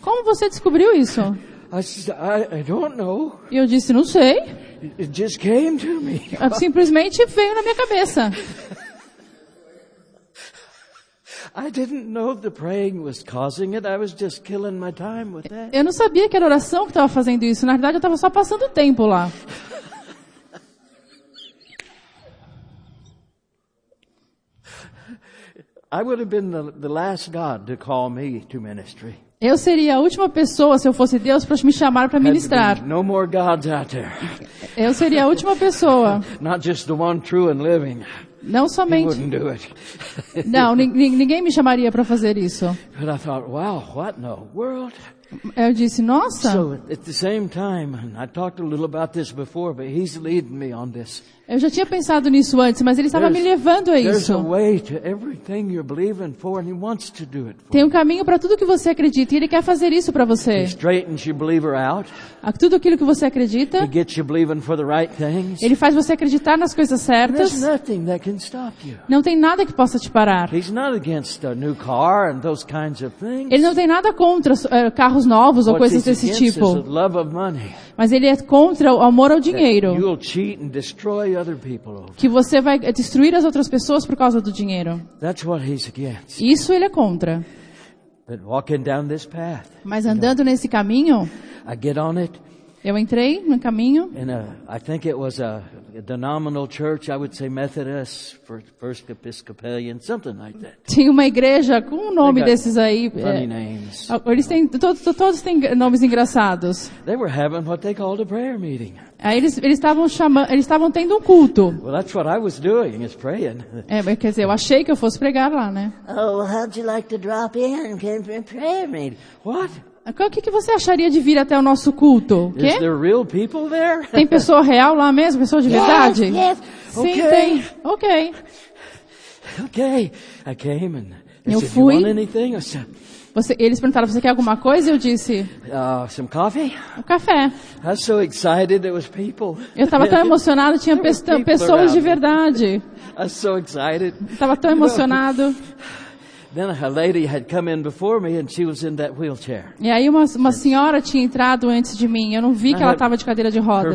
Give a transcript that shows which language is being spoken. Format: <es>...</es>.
<pt>Como você descobriu isso?</pt> <en>I don't know.</en> <pt>E eu disse, não sei.</pt> <en>It just came to me.</en> <pt>Simplesmente veio na minha cabeça.</pt> <en>I didn't know the praying was causing it. I was just killing my time with that.</en> <pt>Eu não sabia que era oração que estava fazendo isso. Na verdade, eu estava só passando tempo lá.</pt> <en>I would have been the last God to call me to ministry.</en> <pt>Eu seria a última pessoa, se eu fosse Deus, para me chamar para ministrar.</pt> <en>No more gods out there.</en> <pt>Eu seria a última pessoa.</pt> <en>Not just the one true and living.</en> <pt>Não somente.</pt> <en>He wouldn't do it.</en> <pt>Não, ninguém me chamaria para fazer isso.</pt> <en>But I thought, wow, what in the world?</en> <pt>Eu disse, nossa.</pt> <en>So at the same time, and I talked a little about this before, but he's leading me on this.</en> <pt>Eu já tinha pensado nisso antes, mas ele estava me levando a isso.</pt> <en>There's a way to everything you're believing for, and he wants to do it for you.</en> <pt>Tem um caminho para tudo que você acredita, e ele quer fazer isso para você.</pt> <en>He straightens your believer out.</en> <pt>Tudo aquilo que você acredita.</pt> <en>He gets you believing for the right things.</en> <pt>Ele faz você acreditar nas coisas certas.</pt> <en>There's nothing that can stop you.</en> <pt>Não tem nada que possa te parar.</pt> <en>He's not against a new car and those kinds of things.</en> <pt>Ele não tem nada contra carros novos ou coisas desse tipo.</pt> <en>What he's against is the love of money.</en> <pt>Mas ele é contra o amor ao dinheiro.</pt> <en>That you'll cheat and destroy other people over.</en> <pt>Que você vai destruir as outras pessoas por causa do dinheiro.</pt> <en>That's what he's against.</en> <pt>Isso ele é contra.</pt> <en>But walking down this path,</en> <pt>mas andando nesse caminho,</pt> <en>I get on it,</en> <pt>eu entrei no caminho.</pt> <en>In a, I think it was a denominational church, I would say Methodist, First Episcopalian, something like that.</en> <pt>Tinha uma igreja com um nome desses aí.</pt> <en>Funny names.</en> <pt>Eles têm, todos têm nomes engraçados.</pt> <en>They were having what they called a prayer meeting.</en> <pt>Aí eles estavam tendo um culto.</pt> <en>Well, that's what I was doing, is praying.</en> <pt>É, quer dizer, eu achei que eu fosse pregar lá, né?</pt> <en>Oh, well, how'd you like to drop in? Can we pray a meeting? What?</en> <pt>O que você acharia de vir até o nosso culto? Quê?</pt> <en>Is there real people there?</en> <pt>Tem pessoa real lá mesmo? Pessoa de verdade?</pt> <en>Yes, yes.</en> <pt>Sim,</pt> <en>okay.</en> <pt>Tem.</pt> <en>Ok. Ok. I came and</en> <pt>eu fui.</pt> <en>You want anything? I said,</en> <pt>você, eles perguntaram, você quer alguma coisa? Eu disse,</pt> <en>some coffee?</en> <pt>Um café.</pt> <en>I was so excited, there was people.</en> <pt>Eu estava tão emocionado, tinha pessoas de verdade. Estava tão emocionado.</pt> <en>Then a lady had come in before me and she was in that wheelchair.</en> <pt>E aí uma senhora tinha entrado antes de mim. Eu não vi que ela estava de cadeira de rodas.</pt>